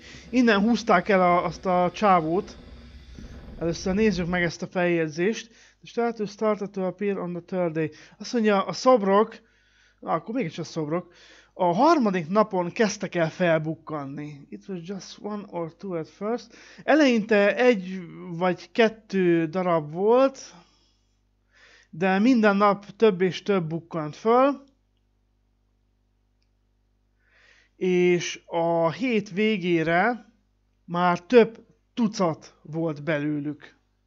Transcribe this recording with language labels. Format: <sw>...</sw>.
<hu>Innen húzták el azt a csávót. Először nézzük meg ezt a feljegyzést.</hu> <en>The status started to appear on the third day.</en> <hu>Azt mondja, a szobrok... akkor mégis a szobrok. A harmadik napon kezdtek el felbukkanni.</hu> <en>It was just one or two at first.</en> <hu>Eleinte egy vagy kettő darab volt. De minden nap több és több bukkant föl. És a hét végére már több tucat volt belőlük.</hu>